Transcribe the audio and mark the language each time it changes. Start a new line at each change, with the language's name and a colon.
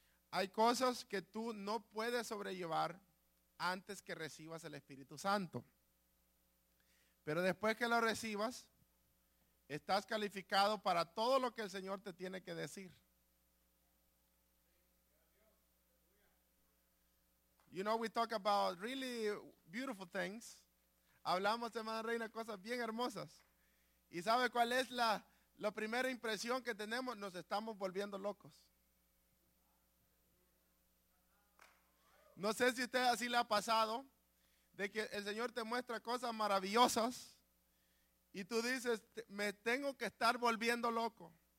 Spanish: Hay cosas que tú no puedes sobrellevar antes que recibas el Espíritu Santo. Pero después que lo recibas, estás calificado para todo lo que el Señor te tiene que decir.
English: You know, we talk about really beautiful things.
Spanish: Hablamos, hermana Reina, cosas bien hermosas. ¿Y sabe cuál es la primera impresión que tenemos? Nos estamos volviendo locos. No sé si a usted así le ha pasado, de que el Señor te muestra cosas maravillosas y tú dices, me tengo que estar volviendo loco.